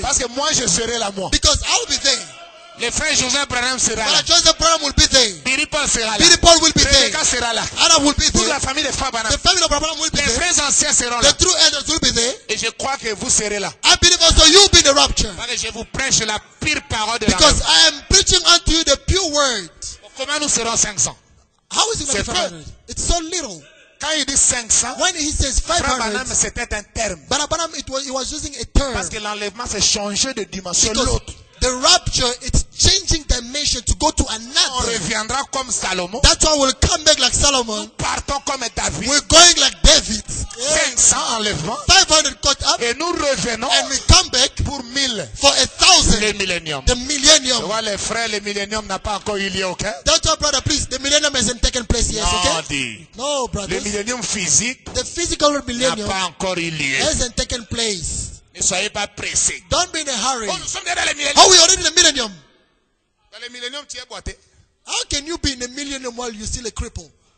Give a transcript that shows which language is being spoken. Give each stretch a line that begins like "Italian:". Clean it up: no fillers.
French: Parce que moi je serai là moi.
English: Because I'll be there.
French: Le frère Joseph Branham sera là.
English: Brother Joseph Branham will be there.
French: Billy Paul sera là.
English: Billy Paul will be there.
French: Rebecca sera là.
English: Anna will be there.
French: Toute la famille de Frère Branham.
English: The family of Branham will be there.
French: Les frères anciens seront là.
English: The true elders will be there.
French: Et je crois que vous serez là.
English: I believe also you will be in the rapture.
French: Parce que je vous prêche la pure parole de la.
English: Because I am preaching unto you the pure word.
French: Comment nous serons 500?
English: How is it going to be 500? It's so little.
French: Quand il dit 500,
English: when he says 500,
French: Branham, c'était un terme.
English: Brother Branham, he was using a term.
French: Parce que l'enlèvement c'est changer de dimension.
English: Because
French: l'autre.
English: The rapture, it's changing dimension to go to another.
French: On reviendra comme Salomon.
English: That's why we'll come back like Solomon.
French: Nous partons comme David.
English: We're going like David.
French: 500 enlèvements.
English: 500 caught up.
French: Et nous revenons.
English: And we come back.
French: Pour 1000.
English: For 1000.
French: Le millennium.
English: The millennium.
French: Tu vois les frères, le millennium n'a pas encore eu lieu, ok?
English: That's why, brother, please, the millennium hasn't taken place yet, okay?
French: Non, dit.
English: No, brother.
French: Le millennium physique.
English: The physical millennium.
French: N'a pas encore eu lieu.
English: Hasn't taken place.
French: Ne soyez pas pressé.
English: Don't be in a hurry.
French: Oh, nous sommes déjà dans le millénium.
English: Oh, we are already in the millennium.
French: Dans le millénium, tu es boité.
English: How can you be in the millennium while you're still a cripple?